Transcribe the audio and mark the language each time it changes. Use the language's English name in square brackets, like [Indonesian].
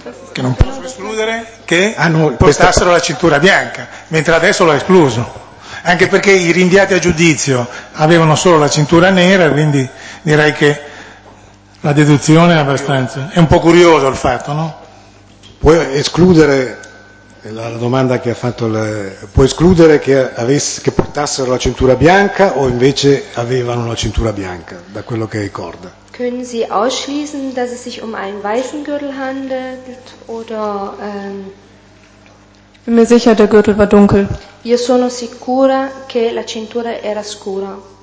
[Italian] Che non posso escludere che portassero la cintura bianca, mentre adesso l'ho escluso, anche perché i rinviati a giudizio avevano solo la cintura nera, quindi direi che la deduzione è abbastanza, è un po' curioso il fatto, no? Puoi escludere, la domanda che ha fatto, puoi escludere che portassero la cintura bianca o invece avevano la cintura bianca, da quello che ricorda? [German] Können Sie ausschließen, dass es sich um einen weißen Gürtel handelt oder Ich bin mir sicher, der Gürtel war dunkel. [Italian] Io sono sicura che la cintura era scura.